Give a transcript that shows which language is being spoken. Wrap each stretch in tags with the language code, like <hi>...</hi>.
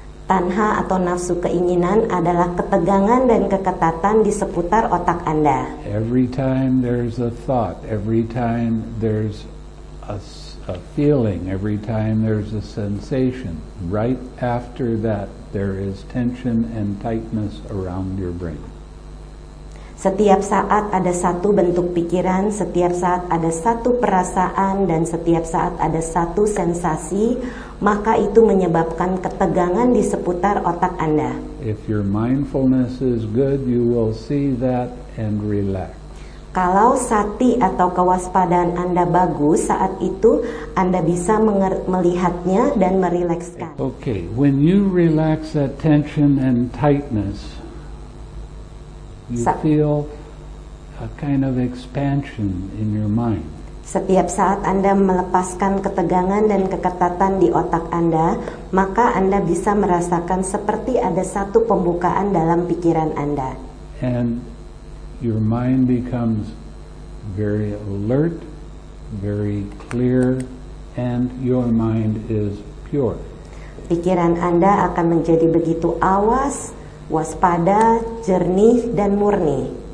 <id>Tanha atau nafsu keinginan adalah ketegangan dan keketatan di seputar otak Anda.</id> <en>Every time there's a thought, every time there's a feeling, every time there's a sensation, right after that there is tension and tightness around your brain.</en> <id>Setiap saat ada satu bentuk pikiran, setiap saat ada satu perasaan, dan setiap saat ada satu sensasi, maka itu menyebabkan ketegangan di seputar otak Anda.</id> <en>If your mindfulness is good, you will see that and relax.</en> <id>Kalau sati atau kewaspadaan Anda bagus, saat itu Anda bisa melihatnya dan merilekskan.</id> <en>Okay, when you relax that tension and tightness, you feel a kind of expansion in your mind.</en> <id>Setiap saat Anda melepaskan ketegangan dan keketatan di otak Anda, maka Anda bisa merasakan seperti ada satu pembukaan dalam pikiran Anda.</id> <en>And your mind becomes very alert, very clear, and your mind is pure.</en> <id>Pikiran Anda akan menjadi begitu awas, waspada, jernih, dan murni.</id>